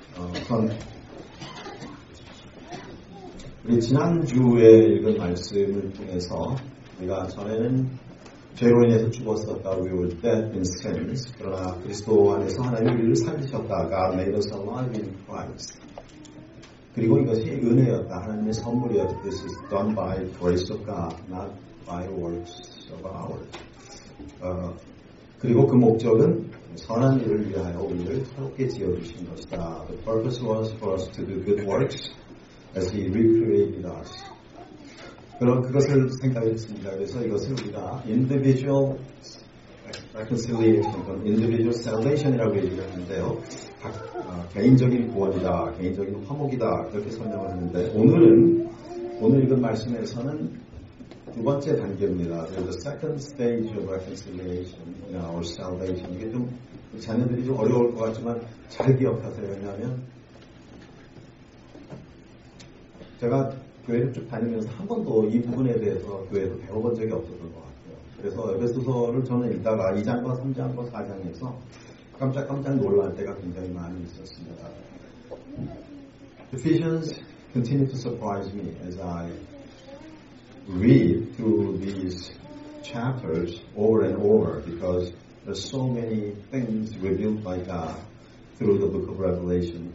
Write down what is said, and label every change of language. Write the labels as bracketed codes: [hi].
[ko] 우선 우리 지난주에 읽은 말씀을 통해서 우리가 전에는 죄로 인해서 죽었었다고 외울 때 [en] in sins, [ko] 그러나 그리스도 안에서 하나님의 의를 살리셨다가 [en] made us alive in Christ. [ko] 그리고 이것이 은혜였다. 하나님의 선물이었다. [en] This is done by grace of God, not by works of ours. [ko] 그리고 그 목적은 선한 일을 위하여 우리를 새롭게 지어주신 것이다. [en] The purpose was for us to do good works as He recreated us. [ko] 그럼 그것을 생각했습니다. 그래서 이것을 우리가 [en] individual reconciliation, individual salvation [ko] 이라고 얘기를 하는데요. 개인적인 구원이다, 개인적인 화목이다, 그렇게 설명을 하는데, 오늘 읽은 말씀에서는 두 번째 단계입니다. [en] There's a second stage of reconciliation in our salvation. [ko] 이게 좀 자녀들이 좀 어려울 것 같지만 잘 기억하세요. 왜냐하면 제가 교회를 쭉 다니면서 한 번도 이 부분에 대해서 교회에서 배워본 적이 없었던 것 같아요. 그래서 에베소서를 저는 읽다가 2장과 3장과 4장에서 깜짝깜짝 놀랄 때가 굉장히 많이 있었습니다. [en] Ephesians continue to surprise me as I read through these chapters over and over because there's so many things revealed by God through the book of Revelation.